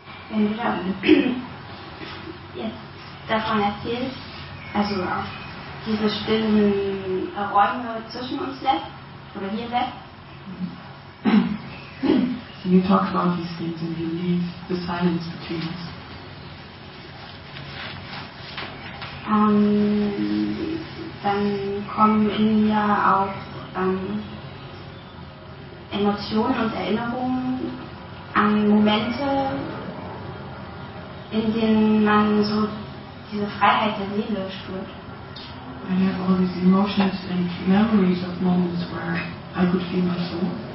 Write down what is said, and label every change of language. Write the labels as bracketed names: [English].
[German] Wenn du jetzt davon erzählst, also auf diese stillen Räume zwischen uns lässt, oder hier lässt. [English] So you talk about these things and you leave the silence between us. [German] Dann kommen in mir auch Emotionen und Erinnerungen an Momente, in denen man so diese Freiheit der Seele spürt. [English] I have all these emotions and memories of moments where I could feel my soul.